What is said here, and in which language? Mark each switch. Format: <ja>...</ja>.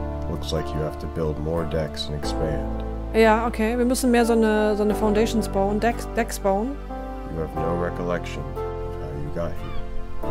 <en>Looks like you have to build more decks and expand.</en> <de>Ja, okay, wir müssen mehr so eine Foundations bauen, Decks bauen.</de> <en>You have no recollection of how you got here.</en>